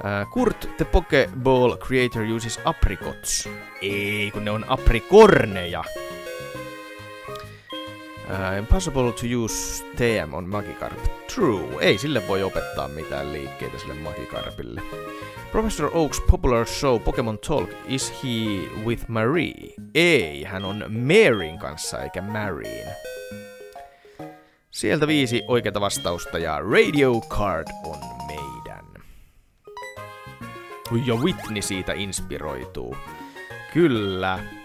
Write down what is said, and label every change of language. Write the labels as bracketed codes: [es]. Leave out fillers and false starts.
[en] Kurt, the Pokeball creator uses apricots. [fi] Ei, kun ne on aprikorneja. [en] Impossible to use TM on Magikarp. True. [fi] Ei sille voi opettaa mitään liikkeitä sille Magikarpille. [en] Professor Oak's popular show Pokemon Talk, is he with Marie? [fi] Ei, hän on Maryn kanssa eikä Marine. Sieltä 5 oikeata vastausta ja Radio Card on meidän. Ja Whitney siitä inspiroituu. Kyllä.